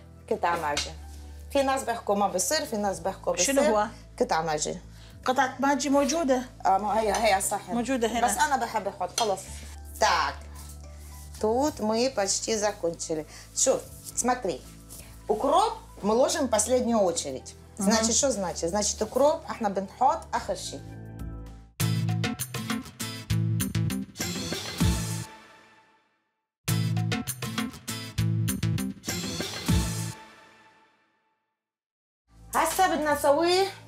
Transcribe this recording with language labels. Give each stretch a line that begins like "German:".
Arabic: قطعة ماجي. في ناس بيحكوا ما بصير في ناس بيحكوا بصير. شنو هو؟ قطعة ماجي. قطعة ماجي موجودة. هي صح موجودة هنا بس أنا بحب أحط. خلص
Russian: تاك توت مي почти закончили.
Arabic: شوف
Russian: смотри укроп мы ложим последнюю очередь. Значит что значит? Значит укроп
Arabic: احنا بنحط آخر شيء. هسه بدنا نسويه